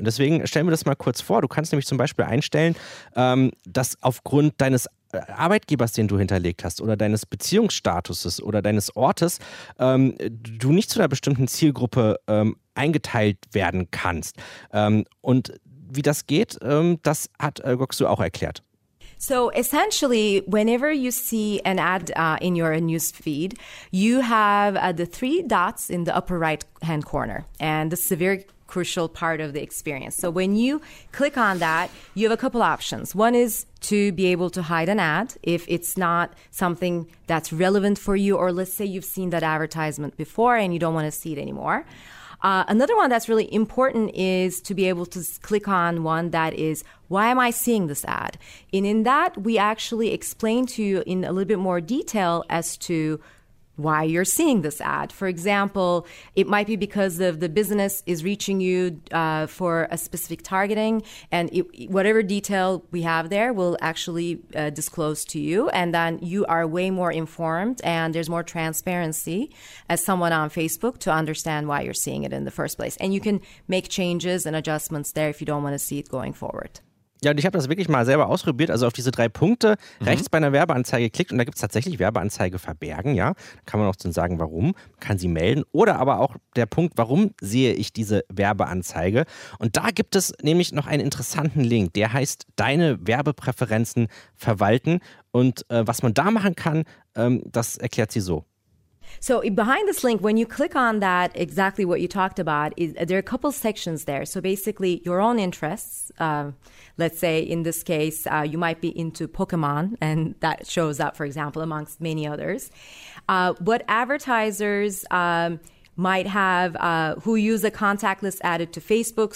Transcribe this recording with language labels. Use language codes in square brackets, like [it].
[de] Und deswegen stellen wir das mal kurz vor. Du kannst nämlich zum Beispiel einstellen, dass aufgrund deines Arbeitgebers, den du hinterlegt hast oder deines Beziehungsstatuses oder deines Ortes, du nicht zu einer bestimmten Zielgruppe eingeteilt werden kannst. Und wie das geht, das hat Goksu auch erklärt. [en] So essentially, whenever you see an ad in your news feed, you have the three dots in the upper right-hand corner. And this is a very crucial part of the experience. So when you click on that, you have a couple options. One is to be able to hide an ad if it's not something that's relevant for you, or let's say you've seen that advertisement before and you don't want to see it anymore. Another one that's really important is to be able to click on one that is, why am I seeing this ad? And in that, we actually explain to you in a little bit more detail as to why you're seeing this ad. For example, it might be because of the business is reaching you for a specific targeting, and whatever detail we have there will actually disclose to you, and then you are way more informed and there's more transparency as someone on Facebook to understand why you're seeing it in the first place. And you can make changes and adjustments there if you don't want to see it going forward. [de] Ja, und ich habe das wirklich mal selber ausprobiert, also auf diese drei Punkte rechts bei einer Werbeanzeige klickt und da gibt es tatsächlich Werbeanzeige verbergen, ja, da kann man auch dann sagen, warum, kann sie melden oder aber auch der Punkt, warum sehe ich diese Werbeanzeige und da gibt es nämlich noch einen interessanten Link, der heißt deine Werbepräferenzen verwalten und was man da machen kann, das erklärt sie so. [en] So behind this link, when you click on that, exactly what you talked about, there are a couple sections there. So basically your own interests, let's say in this case, you might be into Pokemon and that shows up, for example, amongst many others. What advertisers might have who use a contactless added to Facebook.